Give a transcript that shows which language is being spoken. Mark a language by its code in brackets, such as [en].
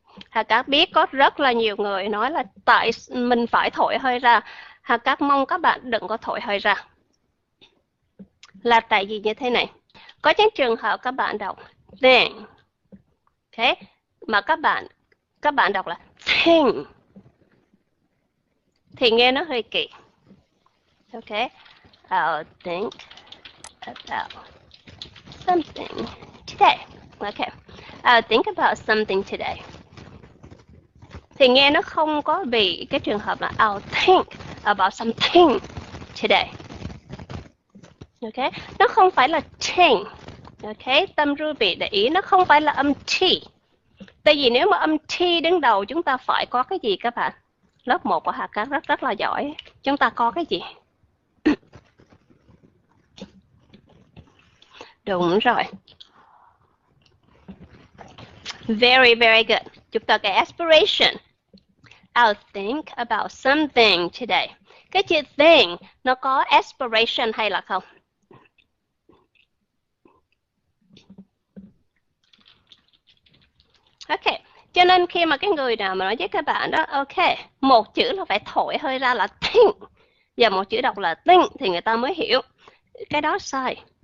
[vi] Hà Cát biết có rất là nhiều người nói là tại mình phải thổi hơi ra, Hà Cát mong các bạn đừng có thổi hơi ra, là tại vì như thế này, có những trường hợp các bạn đọc then, ok, mà các bạn đọc là thing thì nghe nó hơi kỳ. [en] Ok, I'll think about something today. Ok, I'll think about something today. [vi] Thì nghe nó không có bị cái trường hợp là [en] I'll think about something today. [vi] Ok, nó không phải là think. Ok, tâm Ruby để ý, nó không phải là âm T. Tại vì nếu mà âm T đứng đầu, chúng ta phải có cái gì các bạn? Lớp 1 của Hà Cát rất rất là giỏi. Chúng ta có cái gì? Đúng rồi. [en] Very, very good. [vi] Chúng ta cái [en] aspiration. I'll think about something today. [vi] Cái chữ think nó có aspiration hay là không? Ok. Cho nên khi mà cái người nào mà nói với các bạn đó, ok, một chữ là phải thổi hơi ra là think, và một chữ đọc là think, thì người ta mới hiểu. Cái đó sai.